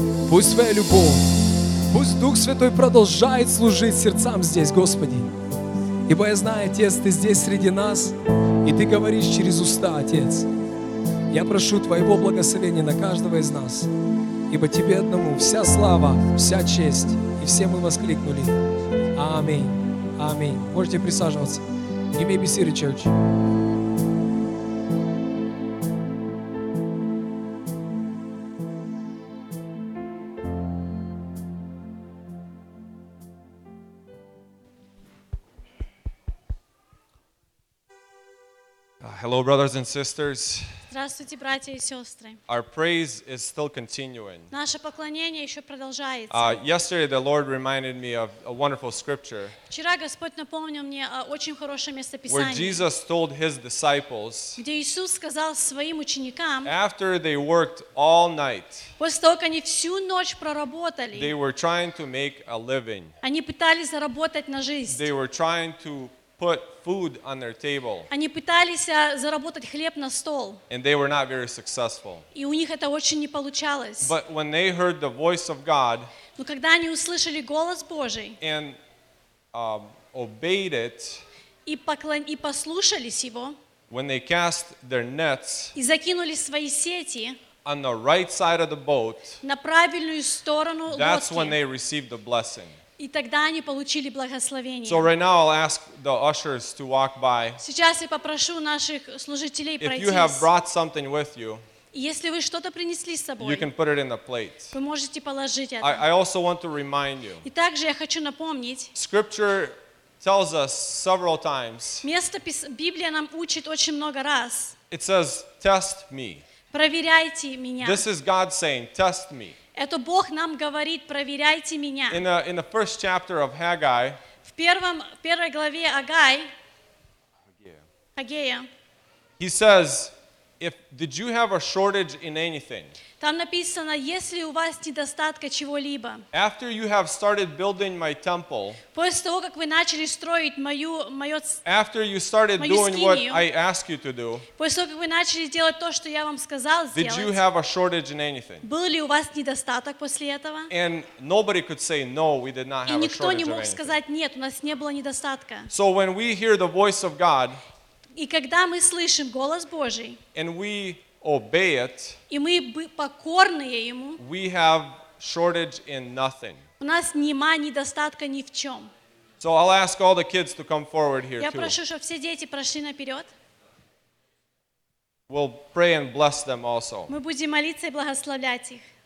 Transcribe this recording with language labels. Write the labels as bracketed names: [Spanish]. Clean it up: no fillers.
[Russian] Пусть Твоя любовь, пусть Дух Святой продолжает служить сердцам здесь, Господи. Ибо я знаю, Отец, Ты здесь среди нас, и Ты говоришь через уста, Отец. Я прошу Твоего благословения на каждого из нас. ибо Тебе одному вся слава, вся честь. И все мы воскликнули. Аминь. Аминь. Можете присаживаться. [English] You may be seated, church. Hello, brothers and sisters. [Russian] Здравствуйте, братья и сестры. [English] Our praise is still continuing. [Russian] Наше поклонение еще продолжается. [English] Yesterday the Lord reminded me of a wonderful scripture. [Russian] Вчера Господь напомнил мне о очень хорошем местописании. [English] Where Jesus told his disciples. [Russian] Где Иисус сказал своим ученикам. [English] After they worked all night. [Russian] После того, как они всю ночь проработали. [English] They were trying to make a living. [Russian] Они пытались заработать на жизнь. [English] They were trying to put food on their table. [Russian] Они пытались заработать хлеб на стол. [English] And they were not very successful. [Russian] И у них это очень не получалось. [English] But when they heard the voice of God, [Russian] но когда они услышали голос Божий, [English] and obeyed it, [Russian] и послушались его, [English] when they cast their nets, [Russian] и закинули свои сети, [English] on the right side of the boat, [Russian] на правильную сторону лодки, [English] that's when they received the blessing. [Russian] И тогда они получили благословение. [English] So right now I'll ask the ushers to walk by. [Russian] Сейчас я попрошу наших служителей пройти. [English] If you have brought something with you, [Russian] если вы что-то принесли с собой, [English] you can put it in the plate. [Russian] Вы можете положить это. [English] I also want to remind you. [Russian] И также я хочу напомнить. [English] Scripture tells us several times. [Russian] Место Библия нам учит очень много раз. [English] It says, "Test me." [Russian] Проверяйте меня. [English] This is God saying, "Test me." [Russian] Это Бог нам говорит, проверяйте меня. [English] In the first chapter of Haggai, [Russian] в первой главе Агай, Агея, [English] he says, did you have a shortage in anything? [Russian] Там написано, если у вас недостатка чего-либо. [English] After you have started building my temple, [Russian] после того, как вы начали строить мою скинию, [English] after you started doing what I asked you to do, [Russian] после того, как вы начали делать то, что я вам сказал сделать, [English] did you have a shortage in anything? [Russian] Был ли у вас недостаток после этого? [English] And nobody could say no, we did not have a shortage. [Russian] И никто не мог сказать нет, у нас не было недостатка. [English] So when we hear the voice of God, [Russian] и когда мы слышим голос Божий, [English] and we obey it, [Russian] и мы покорные ему, [English] we have shortage in nothing. [Russian] У нас нема недостатка ни в чем. [English] So I'll ask all the kids to come forward here too. [Russian] Я прошу, чтобы все дети прошли наперед. [English] We'll pray and bless them also. [Russian] Мы будем молиться и благословлять их.